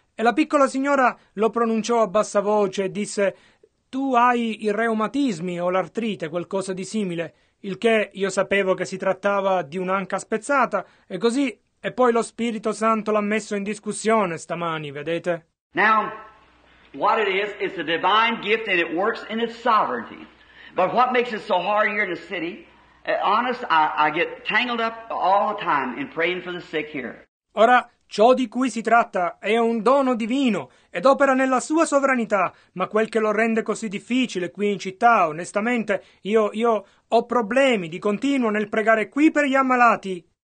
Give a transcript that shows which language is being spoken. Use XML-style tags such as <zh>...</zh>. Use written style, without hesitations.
<it>E la piccola signora lo pronunciò a bassa voce e disse... Tu hai i reumatismi o l'artrite, qualcosa di simile, il che io sapevo che si trattava di un'anca spezzata, e così, e poi lo Spirito Santo l'ha messo in discussione stamani, vedete?</it> <en>Now, what it is a divine gift and it works in its sovereignty. But what makes it so hard here in the city, honest, I get tangled up all the time in praying for the sick here.</en> <it>Ora, ciò di cui si tratta è un dono divino ed opera nella sua sovranità, ma quel che lo rende così difficile qui in città, onestamente, io ho problemi di continuo nel pregare qui per gli ammalati.</it>